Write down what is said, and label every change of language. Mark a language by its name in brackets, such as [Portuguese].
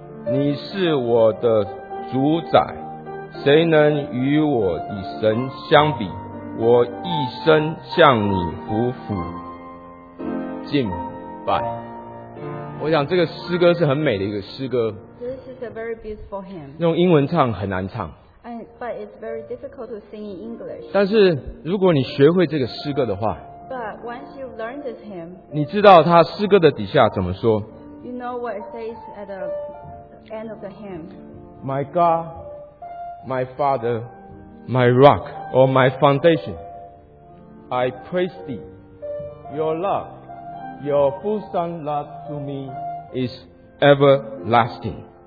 [Chinese] 你是我的主宰。谁能与我与神相比？我一生向你俯伏敬拜。我想这个诗歌是很美的一个诗歌。 [English] This is a very beautiful hymn. [Chinese] 用英文唱很难唱。 [English] But it's very difficult to sing in English. [Chinese] 但是如果你学会这个诗歌的话 [English] ，But once you've learned this hymn, [Chinese] 你知道它诗歌的底下怎么说 [English] ？You know what it says at the end of the hymn. My God. My father, my rock, or my foundation. I praise thee. Your love, your fulsome love to me is everlasting.